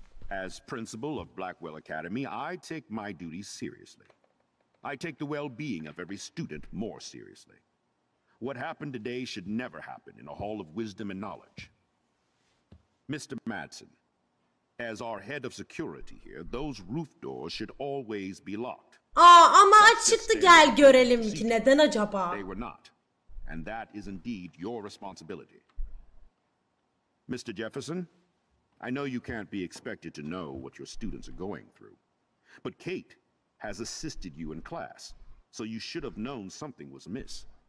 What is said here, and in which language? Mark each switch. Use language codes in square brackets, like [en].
[en] As principal of Blackwell Academy, I take my duties seriously. I take the well-being of every student more seriously. What happened today should never happen in a hall of wisdom and knowledge. Mr. Madsen, as our head of security here, those roof doors should always be locked. [tr] Aa, ama açıktı, gel görelim ki neden acaba? [en] They were not, and that is indeed your responsibility. Mr. Jefferson, I know you can't be expected to know what your students are going through, but Kate has assisted you in class, so you should have known something was amiss.